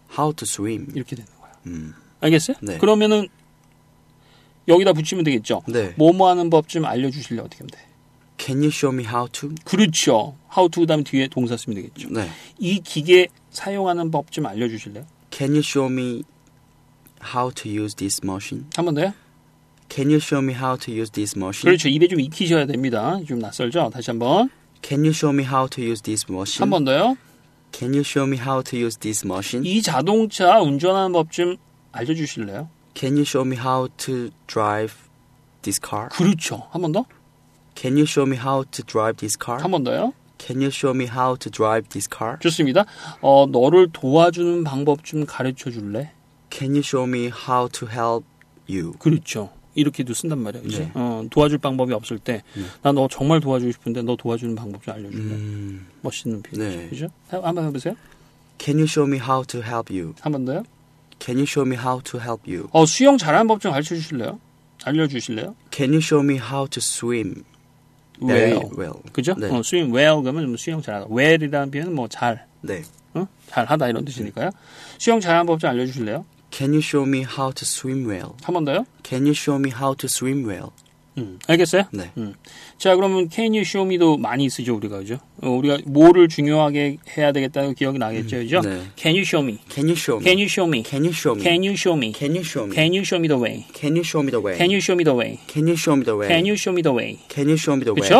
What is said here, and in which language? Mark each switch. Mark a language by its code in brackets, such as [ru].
[en] How to swim. [ko] 이렇게 되는 거야. 알겠어요? 네. 그러면은 여기다 붙이면 되겠죠? 네. 뭐뭐 하는 법 좀 알려주실래요? 어떻게 하면 돼? [en] Can you show me how to? [ko] 그렇죠. How to 다음 뒤에 동사 쓰면 되겠죠. 네. 이 기계 사용하는 법 좀 알려주실래요? [en] Can you show me how to use this machine? [ko] 한 번 더요. [en] Can you show me how to use this machine? [ko] 그렇죠. 입에 좀 익히셔야 됩니다. 좀 낯설죠. 다시 한 번. [en] Can you show me how to use this machine? [ko] 한 번 더요. [en] Can you show me how to use this machine? [ko] 이 자동차 운전하는 법 좀 알려주실래요? [en] Can you show me how to drive this car? [ko] 그렇죠. 한 번 더. [en] Can you show me how to drive this car? [ko] 한 번 더요. [en] Can you show me how to drive this car? [ko] 좋습니다. 너를 도와주는 방법 좀 가르쳐 줄래? [en] Can you show me how to help you? [ko] 그렇죠. 이렇게도 쓴단 말이야. 그렇지? 네. 도와줄 방법이 없을 때 나 너 정말 도와주고 싶은데 너 도와주는 방법 좀 알려 줄래? 멋있는 표현이죠. 네. 한번 해 보세요. [en] Can you show me how to help you? [ko] 한 번 더요. [en] Can you show me how to help you? [ko] 수영 잘하는 법 좀 가르쳐 주실래요? 알려 주실래요? [en] Can you show me how to swim? Well. [ko] 그죠? 네. [en] Swim well [ko] 그러면 수영 잘하다. Well이라는 표현은 뭐 잘. 네. 잘하다 이런 뜻이니까요. 수영 잘하는 법 좀 알려주실래요? [en] Can you show me how to swim well? [ko] 한 번 더요? [en] Can you show me how to swim well? [ko] 알겠어요? 네. 자, 그러면 [en] can you show me [ko] 도 많이 쓰죠, 우리가. 그죠? 우리가 뭐를 중요하게 해야 되겠다는 기억이 나겠죠, 그죠? 네. [en] Can you show me? Can you show me? Can you show me? Can you show me? Can you show me? Can you show me? Can you show me the way? Can you show me the way? Can you show me the way? Can you show me the way? Can you show me the way? Can you show me the way? [ko] 그렇죠?